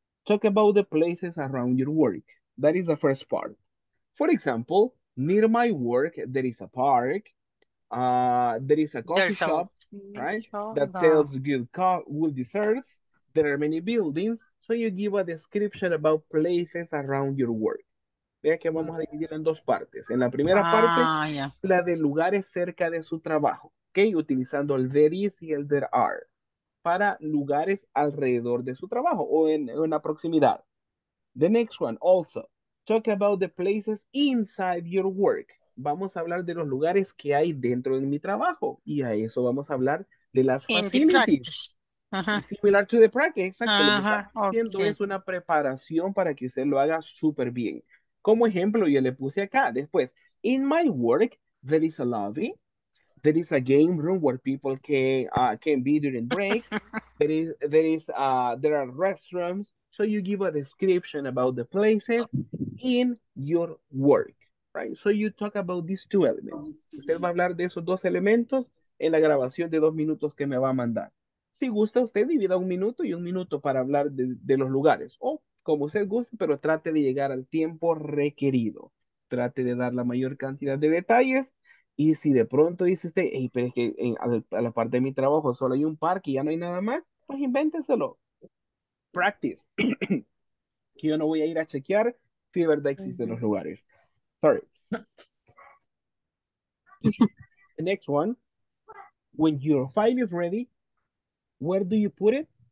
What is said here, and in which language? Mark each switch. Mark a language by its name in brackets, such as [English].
[English] Talk about the places around your work. That is the first part. For example, near my work, there is a park. There is a coffee shop, right? That sells good desserts. There are many buildings. So you give a description about places around your work. [Spanish] Vea que vamos a dividir en dos partes. En la primera parte, la de lugares cerca de su trabajo. Okay? Utilizando el there is y el there are. Para lugares alrededor de su trabajo o en la proximidad. [English] The next one, also, talk about the places inside your work. [Spanish] vamos a hablar de los lugares que hay dentro de mi trabajo. Y a eso vamos a hablar de las [English] facilities. Similar to the practice. [Spanish] Exacto. Lo que está haciendo es una preparación para que usted lo haga súper bien. Como ejemplo, yo le puse acá después. [English] In my work, there is a lobby. There is a game room where people can be during breaks. there are restrooms. So you give a description about the places in your work, right? So you talk about these two elements. [Spanish] Usted va a hablar de esos dos elementos en la grabación de 2 minutos que me va a mandar. Si gusta, usted divida 1 minuto y 1 minuto para hablar de los lugares. O como usted guste, pero trate de llegar al tiempo requerido. Trate de dar la mayor cantidad de detalles. Y si de pronto dice usted, hey, pero es que a la parte de mi trabajo solo hay un parque y ya no hay nada más, pues invénteselo. Practice. Que yo no voy a ir a chequear si de verdad existen los lugares. [English] Sorry. The next one. When your file is ready, where do you put it?